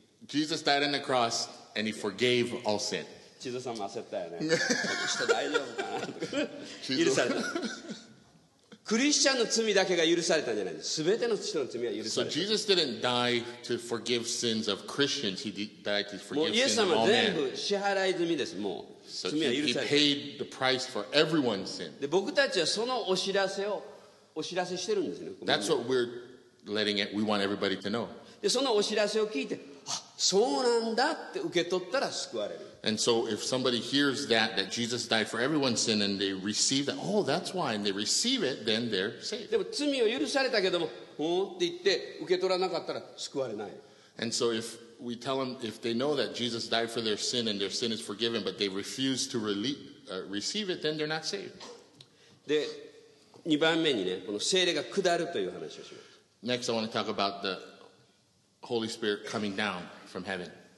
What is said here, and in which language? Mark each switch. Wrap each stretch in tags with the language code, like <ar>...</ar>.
<en>Jesus died on the cross and he forgave all sin.</en> <ja>チゾさんも焦ったよね。ちょっと大丈夫かな。許された。クリスチャンの罪だけが許されたんじゃないです。全ての人の罪は許された。</ja> <en>So Jesus didn't die to forgive sins of Christians. He died to forgive sins of all</en> <ja>men. もうイエス様は全部支払い済みです。もう罪は許された。</ja> <en>So he paid the price for everyone's sin.</en> <ja>で、僕たちはそのお知らせをお知らせしてるんですね。</ja> <en>That's what we're letting it. We want everybody to know.</en> <ja>で、そのお知らせを聞いて、あ、そうなんだって受け取ったら救われる。</ja> <en>And so if somebody hears that Jesus died for everyone's sin and they receive that, oh, that's why, and they receive it, then they're saved.</en> <ja>でも罪を許されたけども、ほんって言って受け取らなかったら救われない。</ja> <en>And so if we tell them, if they know that Jesus died for their sin and their sin is forgiven, but they refuse to receive it, then they're not saved.</en> <ja>で、2番目にね、この聖霊が下るという話をします。</ja> <en>Next, I want to talk about the Holy Spirit coming down from heaven.</en>